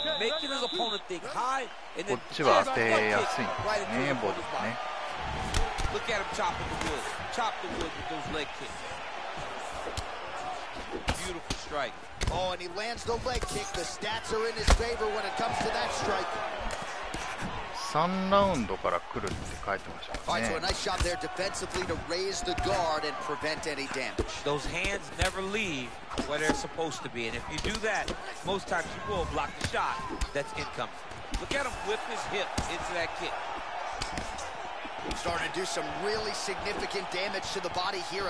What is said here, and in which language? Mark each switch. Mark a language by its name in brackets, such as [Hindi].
[English] Making his opponent think high and then just one kick right into the body. Look at him chopping the wood. Chop the wood with those leg kicks. Beautiful strike. Oh, and he lands the leg kick. The stats are in his favor when it comes to that strike. [Japanese] 3 ラウンドから来るって書いてましたね。 [English] So a nice shot there defensively to raise the guard and prevent any damage. Those hands never leave where they're supposed to be. And if you do that, most times you will block the shot that's incoming. Look at him whip his hip into that kick. Starting to do some really significant damage to the body here.